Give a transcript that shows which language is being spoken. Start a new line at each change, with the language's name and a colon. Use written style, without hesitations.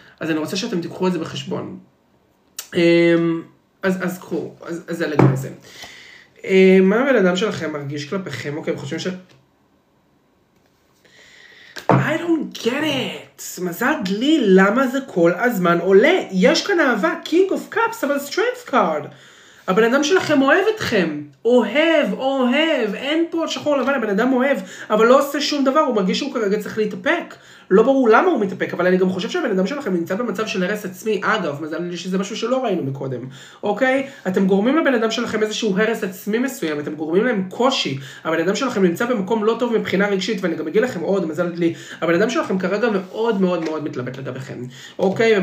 Hebrew: אז אני רוצה שאתם תיקחו את זה בחשבון. אז קחו, אז זה לגבי זה. מה הבן אדם שלכם מרגיש כלפיכם? אוקיי, הם חושבים ש...
English: I don't get it!
Hebrew: מזל דלי, למה זה כל הזמן עולה? יש כאן אהבה, King of Cups, אבל Strength Card. הבן אדם שלכם אוהב אתכם. אוהב, אוהב, אין פה שחור לבן, הבן אדם אוהב, אבל לא עושה שום דבר, הוא מרגיש שהוא כרגע צריך להתאפק. לא ברור למה הוא מתאפק, אבל אני גם חושב שהבן אדם שלכם נמצא במצב של הרס עצמי, אגב, מזל לי שזה משהו שלא ראינו מקודם, אוקיי? אתם גורמים לבן אדם שלכם איזשהו הרס עצמי מסוים, אתם גורמים להם קושי, הבן אדם שלכם נמצא במקום לא טוב מבחינה רגשית, ואני גם אגיד לכם עוד, מזל לי, הבן אדם שלכם כרגע מאוד מאוד מאוד מתלבט לגביכם, אוקיי?